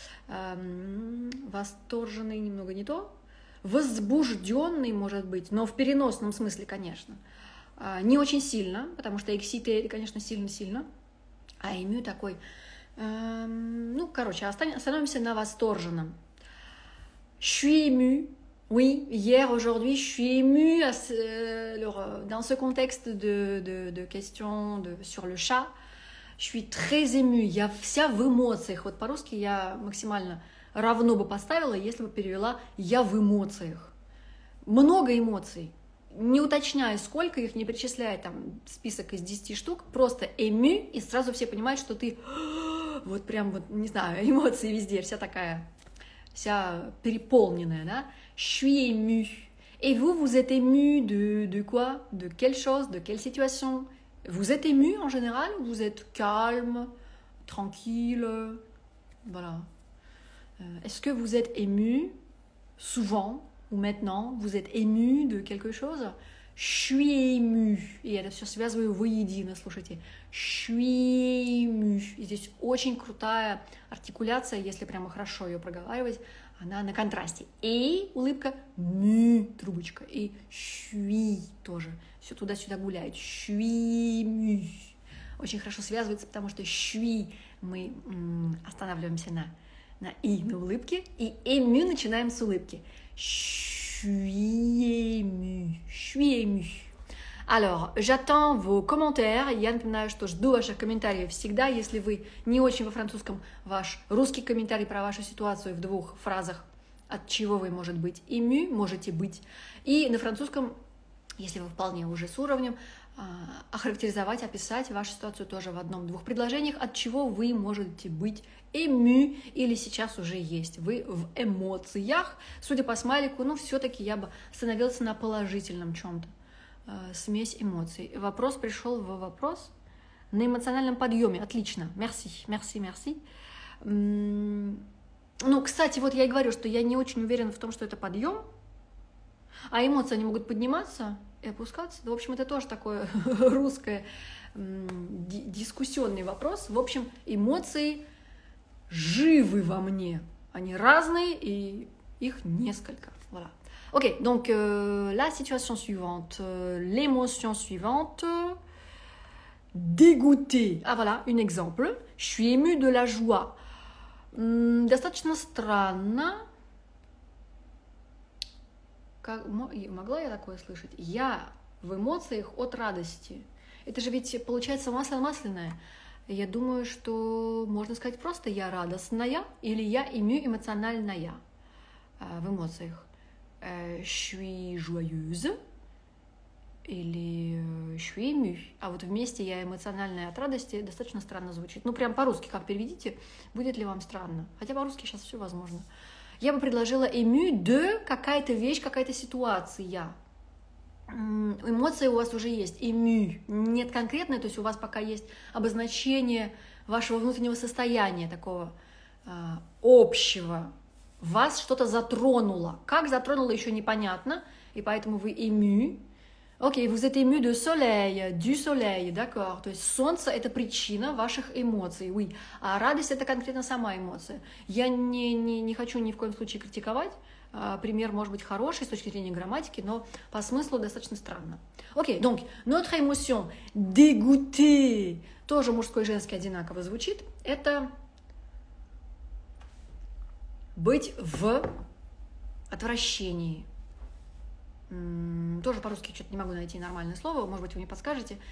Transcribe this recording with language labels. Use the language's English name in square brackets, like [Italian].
[Russian] Восторженный, немного не то. Возбужденный, может быть, но в переносном смысле, конечно. Не очень сильно, потому что excité, конечно, сильно-сильно. А ему такой... ну, короче, остановимся на восторженном. [French] Je suis ému. Oui, hier, aujourd'hui, je suis ému. Dans ce contexte de question sur le chat, je suis très ému. [Russian] Я вся в эмоциях. Вот по-русски я максимально... равно бы поставила, если бы перевела «я в эмоциях». Много эмоций. Не уточняя, сколько их, не перечисляя там список из 10 штук, просто «эмю», и сразу все понимают, что ты вот прям вот, не знаю, эмоции везде, вся такая, вся переполненная, да? [French] «Шуи эмю». «Et vous, vous êtes ému de quoi? De quelle chose? De quelle situation? Vous êtes ému en général? Vous êtes calme, tranquille?» Voilà. Est-ce que vous êtes ému souvent ou maintenant? Vous êtes ému de quelque chose? Je suis ému. [Russian] И это все связываю воедино, слушайте. [French] Je suis ému. [Russian] И здесь очень крутая артикуляция, если прямо хорошо ее проговаривать. она на контрасте. И улыбка, ми, трубочка. И щуи тоже. Все туда-сюда гуляет. Щуи, ми. Очень хорошо связывается, потому что щуи мы останавливаемся на и, на улыбке. И эмю начинаем с улыбки. Щуи-ми. Щуи-ми. [French] Alors, j'attends vos commentaires. [Russian] Я напоминаю, что жду ваших комментариев всегда. Если вы не очень во французском, ваш русский комментарий про вашу ситуацию в двух фразах, от чего вы, может быть, ému, можете быть. И на французском, если вы вполне уже с уровнем, охарактеризовать, описать вашу ситуацию тоже в одном-двух предложениях, от чего вы можете быть ému или сейчас уже есть. Вы в эмоциях, судя по смайлику, ну, все-таки я бы остановился на положительном чем-то. Смесь эмоций. Вопрос пришел в вопрос. На эмоциональном подъеме. Отлично. [French] Merci, merci, merci. [Russian] Ну, кстати, вот я и говорю, что я не очень уверена в том, что это подъем. А эмоции, они могут подниматься и опускаться. Да, в общем, это тоже такое русское дискуссионный вопрос. В общем, эмоции живы во мне. Они разные, и их несколько. [French] Voilà. Ok, donc la situation suivante, l'émotion suivante, dégoûté. Ah voilà, un exemple. Je suis ému de la joie. [Russian] Достаточно странно. Как могла я такое слышать? Я в эмоциях от радости. Это же ведь получается масляное. Я думаю, что можно сказать просто я радостная или я ему эмоциональная в эмоциях. [French] Je suis joyeuse или je suis ému. [Russian] А вот вместе я эмоциональная от радости достаточно странно звучит. Ну, прям по-русски как переведите, будет ли вам странно? Хотя по-русски сейчас все возможно. Я бы предложила ému de какая-то вещь, какая-то ситуация. Эмоции у вас уже есть, ému. Нет конкретной, то есть у вас пока есть обозначение вашего внутреннего состояния такого общего. Вас что-то затронуло. Как затронуло, еще непонятно. И поэтому вы ému. [French] Окей, vous êtes ému de soleil. Du soleil, d'accord. [Russian] То есть солнце – это причина ваших эмоций. [French] Oui. [Russian] А радость – это конкретно сама эмоция. Я не хочу ни в коем случае критиковать. Пример может быть хороший с точки зрения грамматики, но по смыслу достаточно странно. [French] Окей, donc, notre émotion – dégoûté. [Russian] Тоже мужской и женский одинаково звучит. Это... быть в отвращении. Тоже по-русски что-то не могу найти нормальное слово, может быть, вы мне подскажете.